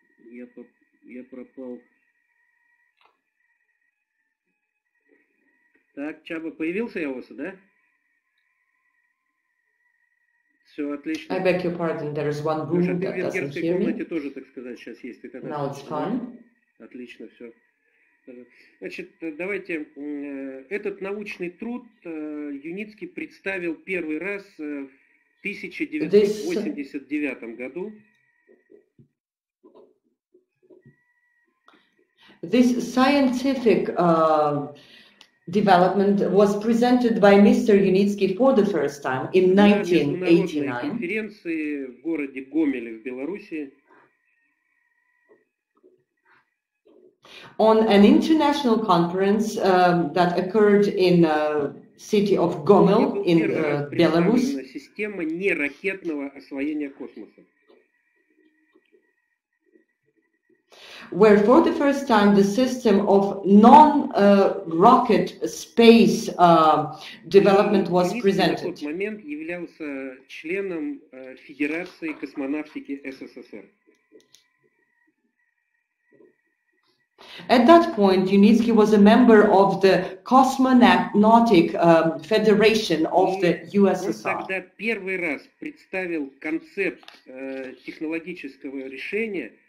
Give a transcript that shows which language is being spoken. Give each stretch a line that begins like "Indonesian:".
Russian: Я пропал. Так, Чаба, появился я у вас, да? Все отлично.
English: I beg your pardon, there is one room that doesn't hear me.
Russian: В венгерской комнате тоже, так сказать, сейчас есть.
English: Now it's fine.
Russian: Отлично, все. Значит, давайте. Этот научный труд Юницкий представил первый раз в 1989 году.
English: This scientific development was presented by Mr. Юницкий for the first time in 1989 on an international conference that occurred in the city of Gomel in Belarus.
Russian: Система неракетного освоения космоса.
English: Where for the first time the system of non-rocket space development was presented.
Russian: В тот момент являлся членом Федерации космонавтики СССР.
English: At that point, Юницкий was a member of the Cosmonautic Federation of the USSR.
Russian: Он тогда первый раз представил концепт технологического решения.